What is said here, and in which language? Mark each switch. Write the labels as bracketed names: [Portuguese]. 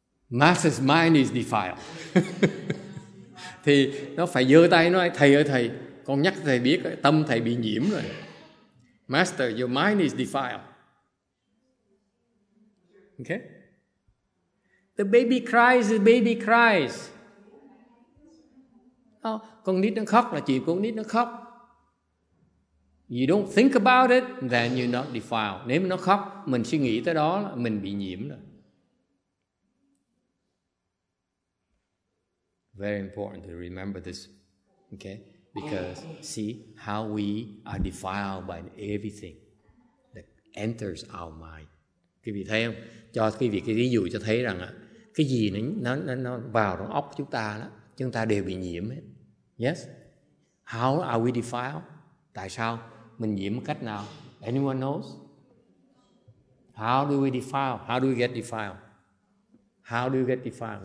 [English] Master's mind is defiled. [Vietnamese] Thì nó phải giơ tay nói, thầy ơi thầy, con nhắc thầy biết rồi, tâm thầy bị nhiễm rồi. [English] Master, your mind is defiled. Okay? The baby cries, the baby cries. [Vietnamese] Oh, con nít nó khóc là chỉ con nít nó khóc. [English] You don't think about it, then you're not defiled. [Vietnamese] Nếu nó khóc, mình suy nghĩ tới đó là mình bị nhiễm rồi. [English] Very important to remember this, okay? Because see how we are defiled by everything that enters our mind. [Vietnamese] Quý vị thấy không? Cho quý vị cái ví dụ cho thấy rằng cái gì nó vào trong óc chúng ta đó, chúng ta đều bị nhiễm hết. [English] Yes? How are we defiled? [Vietnamese] Tại sao? Mình nhiễm cách nào? [English] Anyone knows? How do we defile? How do we get defiled? How do we get defiled?